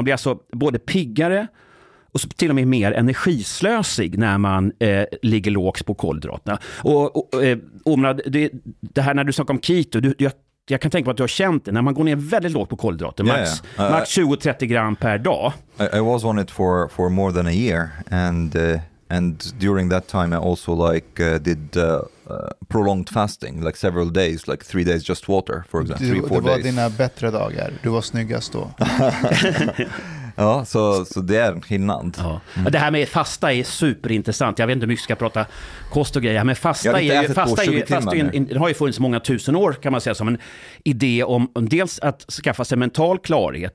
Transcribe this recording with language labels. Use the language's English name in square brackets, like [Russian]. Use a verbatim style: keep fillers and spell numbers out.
[Swedish] Man blir alltså både piggare och till och med mer energislösig när man eh, ligger lågt på kolhydraterna. Och, och, eh, Omrad, det, det här när du snackar om keto, du, jag, jag kan tänka på att du har känt det. När man går ner väldigt lågt på kolhydrater, yeah, max, uh, max tjugo trettio gram per dag. [English] I, I was on it for, for more than a year and... Uh... And during that time, I also like uh, did uh, uh, prolonged fasting, like several days, like three days just water, for example, [Swedish] du, [English] three, four [Swedish] det var [English] days. [Swedish] Dina bättre dagar. Du var snyggast då. Ja, så, så det är en skillnad. Ja. Mm. Det här med fasta är superintressant. Jag vet inte hur mycket jag ska prata kost och grejer. Men fasta, är, fasta, är, fasta är, in, det har ju funnits många tusen år kan man säga som en idé om, om dels att skaffa sig mental klarhet.